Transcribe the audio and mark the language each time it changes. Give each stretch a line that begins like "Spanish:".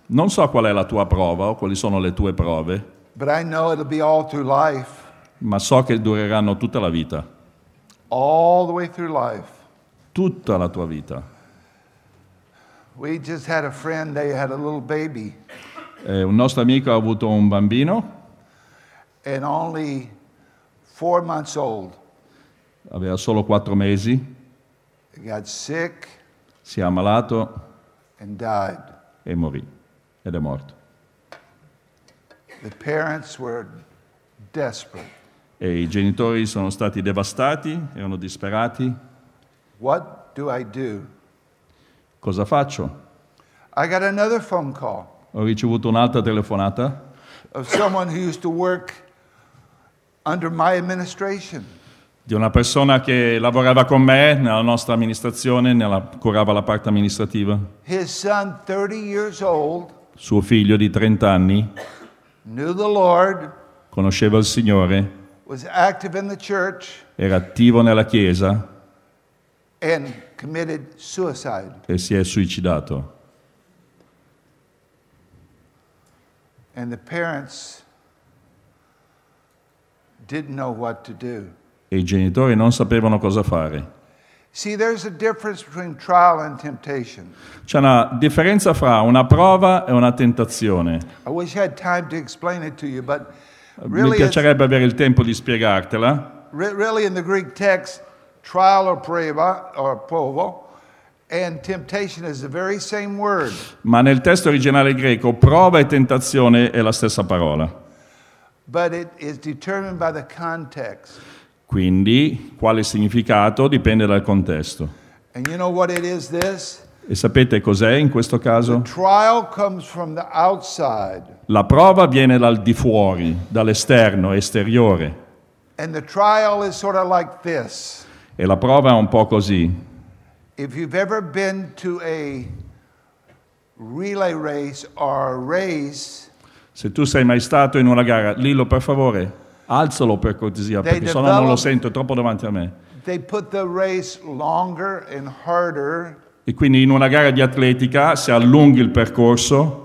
Italian: Non so qual è la tua prova o quali sono le tue prove.
English: But I know it'll be all through life.
Italian: Ma so che dureranno tutta la vita.
English: All the way through life.
Italian: Tutta la tua vita.
English: We just had a friend, they had a little baby.
Italian: Un nostro amico ha avuto un bambino.
English: And only 4 months old.
Italian: Aveva solo 4 mesi.
English: He got sick.
Italian: Si è ammalato.
English: And died.
Italian: E morì. Ed è morto.
English: The parents were desperate.
Italian: E i genitori sono stati devastati, erano disperati.
English: What do I do?
Italian: Cosa faccio?
English: I got another phone call.
Italian: Ho ricevuto un'altra telefonata.
English: Of someone who used to work under my administration.
Italian: Di una persona che lavorava con me nella nostra amministrazione, curava la parte amministrativa.
English: His son, 30 years old,
Italian: suo figlio di 30 anni.
English: Knew the Lord,
Italian: conosceva il Signore.
English: Was active in the church,
Italian: era attivo nella chiesa.
English: And committed suicide.
Italian: E si è suicidato.
English: And the parents didn't know what to do.
Italian: E i genitori non sapevano cosa fare.
English: See, there's a difference between trial and temptation.
Italian: C'è una differenza fra una prova e una tentazione.
English: I wish I had time to explain it to you, but
Italian: really, mi piacerebbe avere il tempo di spiegartela.
English: Really in the Greek text, trial or prova, and temptation is the very same word.
Italian: Ma nel testo originale greco, prova e tentazione è la stessa parola.
English: But it is determined by the context.
Italian: Quindi, quale significato dipende dal contesto.
English: And you know what it is, this?
Italian: E sapete cos'è in questo caso?
English: The trial comes from the outside.
Italian: La prova viene dal di fuori, dall'esterno, esteriore.
English: And the trial is sort of like this.
Italian: E la prova è un po' così.
English: If you've ever been to a relay race or a race,
Italian: se tu sei mai stato in una gara, Lillo, per favore, alzalo per cortesia, perché sennò non lo sento, è troppo davanti a me.
English: They put the race longer and harder.
Italian: E quindi in una gara di atletica si allunga il percorso.